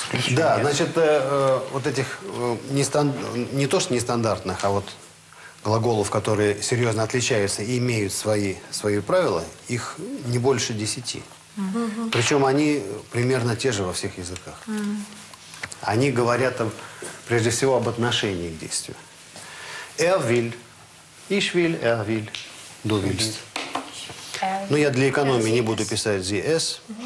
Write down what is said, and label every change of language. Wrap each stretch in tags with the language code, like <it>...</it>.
<ru>Да, значит, вот этих не то, что нестандартных, а вот глаголов, которые серьезно отличаются и имеют свои правила, их не больше 10. Причем они примерно те же во всех языках. Они говорят там, прежде всего, об отношении к действию.</ru> <de>Er will, ich will, er will, du willst.</de> <ru>Ну, я для экономии не буду писать</ru> <de>sie es.</de>